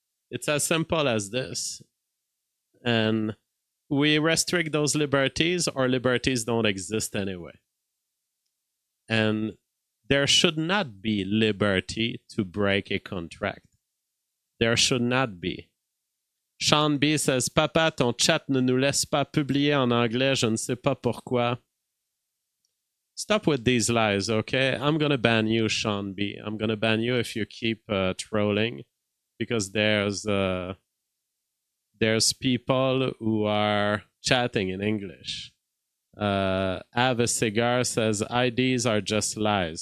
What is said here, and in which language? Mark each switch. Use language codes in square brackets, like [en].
[en] It's as simple as this. And we restrict those liberties, or liberties don't exist anyway. And there should not be liberty to break a contract. There should not be. Sean B says, [fr] Papa, ton chat ne nous laisse pas publier en anglais, je ne sais pas pourquoi. [en] Stop with these lies, okay? I'm going to ban you, Sean B. I'm going to ban you if you keep trolling, because there's people who are chatting in English. Ava Cigar says, IDs are just lies.